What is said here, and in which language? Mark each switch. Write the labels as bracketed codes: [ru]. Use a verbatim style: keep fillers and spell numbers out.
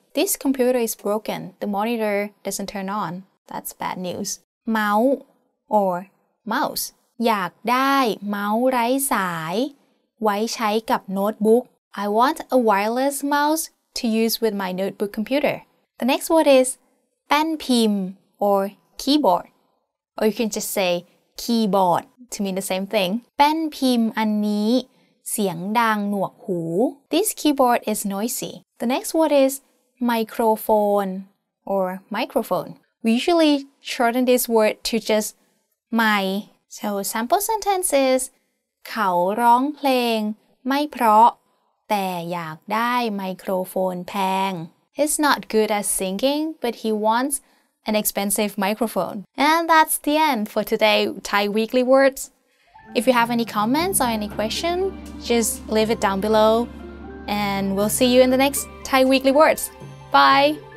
[en] This computer is broken. The monitor doesn't turn on. That's bad news. เมาส์ or mouse อยากได้เมาส์ไร้สายไว้ใช้กับโน้ตบุ๊ก I want a wireless mouse to use with my notebook computer. The next word is แป้นพิมพ์ or keyboard. Or you can just say keyboard to mean the same thing. [th] แป้นพิมพ์อันนี้เสียงดังหนวกหู This keyboard is noisy. [en] The next word is microphone or microphone. We usually shorten this word to just my. So sample sentence is เขาร้องเพลงไม่เพราะแต่อยากได้ไมโครโฟนแพง He's not good at singing, but he wants an expensive microphone. And that's the end for today Thai Weekly Words. If you have any comments or any question, just leave it down below. And we'll see you in the next Thai Weekly Words. Bye!